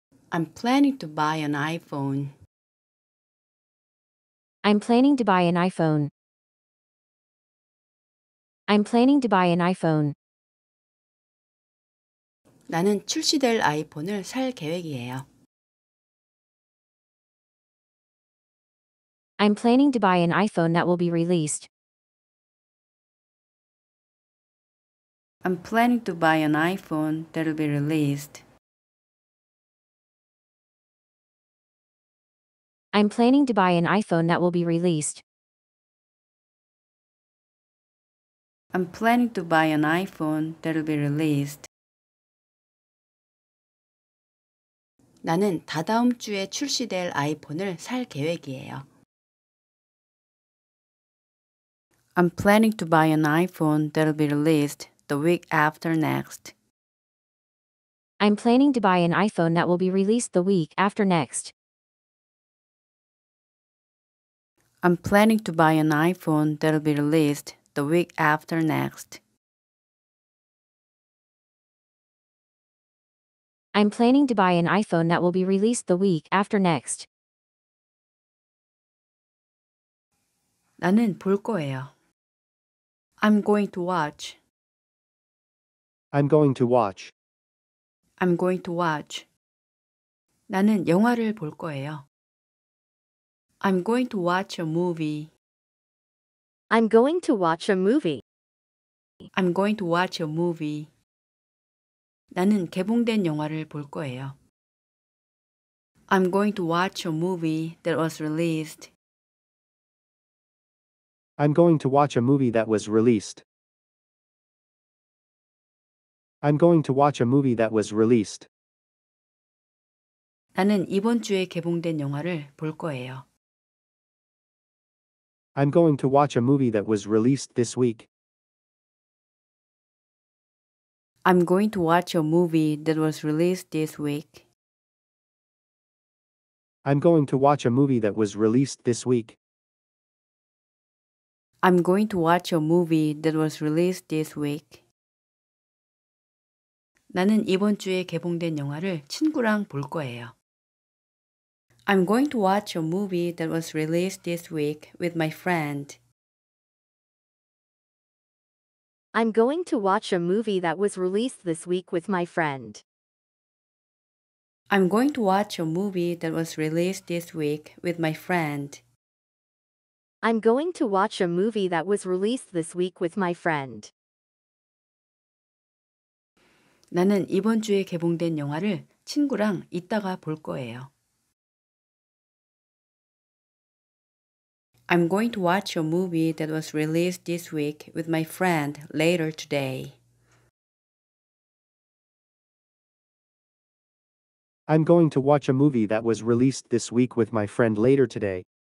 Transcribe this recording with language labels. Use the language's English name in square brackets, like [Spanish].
[English] I'm planning to buy an iPhone. I'm planning to buy an iPhone. I'm planning to buy an iPhone. [Korean] 나는 출시될 아이폰을 살 계획이에요. [English] I'm planning to buy an iPhone that will be released. I'm planning to buy an iPhone that will be released. I'm planning to buy an iPhone that will be released. I'm planning to buy an iPhone that'll be released. [Korean] 나는 다다음 주에 출시될 아이폰을 살 계획이에요. [English] I'm planning to buy an iPhone that'll be released the week after next. I'm planning to buy an iPhone that will be released the week after next. I'm planning to buy an iPhone that'll be released the week after next. I'm planning to buy an iPhone that will be released the week after next. [Korean] 나는 볼 거예요. [English] I'm going to watch. I'm going to watch. I'm going to watch. [Korean] 나는 영화를 볼 거예요. [English] I'm going to watch a movie. I'm going to watch a movie. I'm going to watch a movie. [Korean] 나는 개봉된 영화를 볼 거예요. [English] I'm going to watch a movie that was released. I'm going to watch a movie that was released. I'm going to watch a movie that was released. [Korean] 나는 이번 주에 개봉된 영화를 볼 거예요. [English] I'm going to watch a movie that was released this week. I'm going to watch a movie that was released this week. I'm going to watch a movie that was released this week. I'm going to watch a movie that was released this week. [Korean] 나는 이번 주에 개봉된 영화를 친구랑 볼 거예요. [English] I'm going to watch a movie that was released this week with my friend. I'm going to watch a movie that was released this week with my friend. I'm going to watch a movie that was released this week with my friend. I'm going to watch a movie that was released this week with my friend. [Korean] 나는 이번 주에 개봉된 영화를 친구랑 이따가 볼 거예요. [English] I'm going to watch a movie that was released this week with my friend later today. I'm going to watch a movie that was released this week with my friend later today.